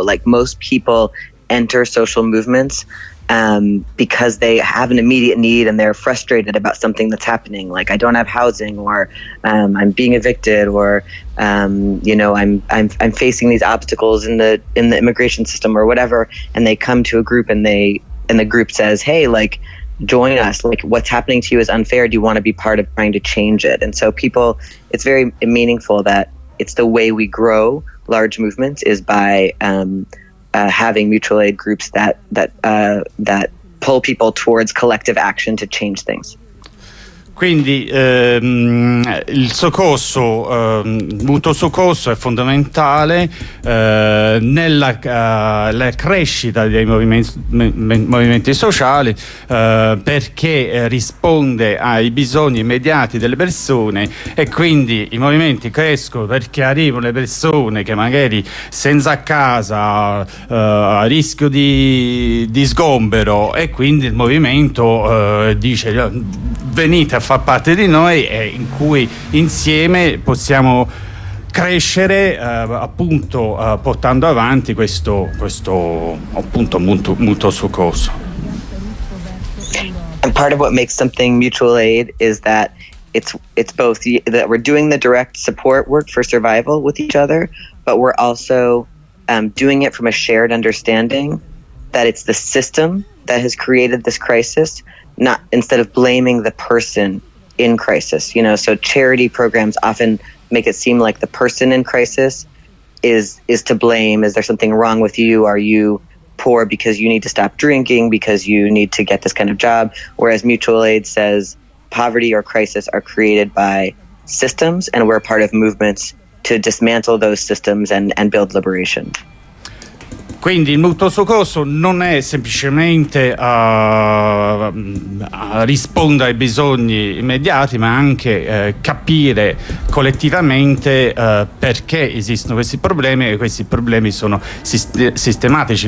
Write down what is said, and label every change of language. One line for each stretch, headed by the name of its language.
English: Like most people enter social movements because they have an immediate need and they're frustrated about something that's happening, like I don't have housing, or I'm being evicted, or you know, I'm facing these obstacles in the immigration system or whatever, and they come to a group and the group says, hey, like, join us, like, what's happening to you is unfair, do you want to be part of trying to change it? And so people, it's very meaningful that it's the way we grow large movements is by having mutual aid groups that pull people towards collective action to change things.
Italian: Quindi il soccorso, mutuo soccorso è fondamentale nella la crescita dei movimenti sociali perché risponde ai bisogni immediati delle persone, e quindi i movimenti crescono perché arrivano le persone che magari senza casa, a rischio di sgombero, e quindi il movimento dice venite a far parte di noi, e in cui insieme possiamo crescere appunto portando avanti questo appunto mutuo soccorso.
English: And part of what makes something mutual aid is that it's both that we're doing the direct support work for survival with each other, but we're also doing it from a shared understanding that it's the system that has created this crisis, not instead of blaming the person in crisis, you know. So charity programs often make it seem like the person in crisis is to blame. Is there something wrong with you? Are you poor because you need to stop drinking, because you need to get this kind of job? Whereas mutual aid says poverty or crisis are created by systems, and we're part of movements to dismantle those systems and build liberation.
Italian: Quindi il mutuo soccorso non è semplicemente a rispondere ai bisogni immediati, ma anche capire collettivamente perché esistono questi problemi, e questi problemi sono sistematici.